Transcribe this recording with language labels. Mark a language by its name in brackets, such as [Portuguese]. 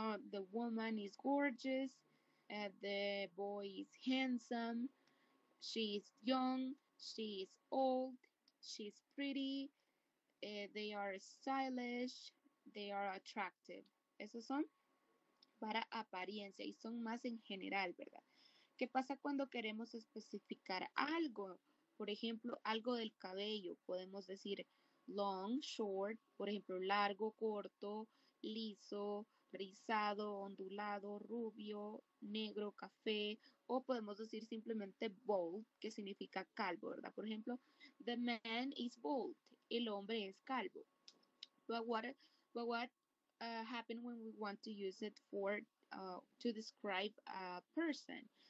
[English] The woman is gorgeous, the boy is handsome, she is young, she is old, she is pretty, they are stylish, they are attractive. [Spanish] Esos son para apariencia y son más en general, ¿verdad? ¿Qué pasa cuando queremos especificar algo? Por ejemplo, algo del cabello. Podemos decir long, short, por ejemplo, largo, corto, liso, rizado, ondulado, rubio, negro, café, o podemos decir simplemente bald, que significa calvo, ¿verdad? Por ejemplo, [English] the man is bald, [Spanish] el hombre es calvo. [English] But what happened when we want to use it for to describe a person?